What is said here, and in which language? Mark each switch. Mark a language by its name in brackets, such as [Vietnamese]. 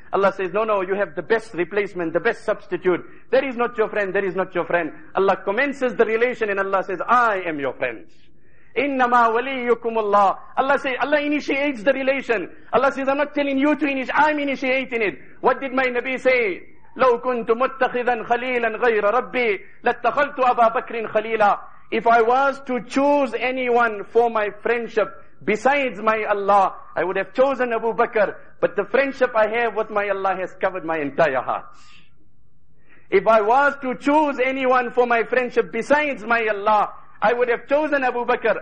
[English] Allah says, no, you have the best replacement, the best substitute. There is not your friend. Allah commences the relation and Allah says, I am your friend. [Arabic] Innama waliyukum Allah. [English] Allah initiates the relation. Allah says, I'm not telling you to initiate, I'm initiating it. What did my Nabi say? [Arabic] لو كنت متخذا خليلا غير ربي لاتخذت أبا بكر خليلا. [English] If I was to choose anyone for my friendship besides my Allah, I would have chosen Abu Bakr. But the friendship I have with my Allah has covered my entire heart. If I was to choose anyone for my friendship besides my Allah, I would have chosen Abu Bakr.